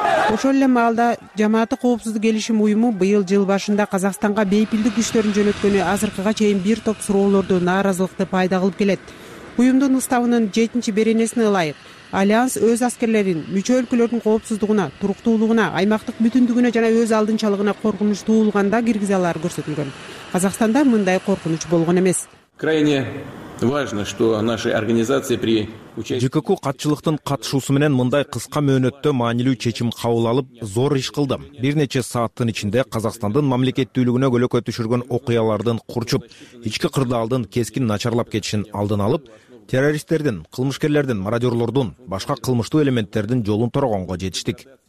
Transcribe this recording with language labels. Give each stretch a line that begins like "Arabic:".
Kyrgyz: Ошол эле маалда жамааттык коопсуздук келишим уюму быйыл жыл башында Казакстанга бейпилдик күчтөрүн жөнөткөнү азыркыга чейин бир топ суроолорду, нааразылыкты пайда кылып келет. Уюмдун уставынын 7-беренесине ылайык, Альянс өз аскерлерин, мүчө өлкөлөрдүн коопсуздугуна, туруктуулугуна, аймактык бүтүндүгүнө жана өз алдынчалыгына коркунуч туулганда киргизалар көрсөтүлгөн. Казакстанда мындай коркунуч болгон эмес.
Russian: Крайне важно, что наши организации при участии
Kyrgyz: ЖКК катчылыктын катышуусу менен мындай кыска мөөнөттө маанилүү чечим кабыл алып, зор иш кылдым. Бир нече сааттын ичинде Казакстандын мамлекеттүүлүгүнө көлөкөй түшүргөн окуялардын курчуп, ички кырдаалдын кескин начарлап кетишин алдын алып, террористтердин, кылмышкерлердин, мародёрлордун, башка кылмыштуу элементтердин жолун торгонго жетиштик.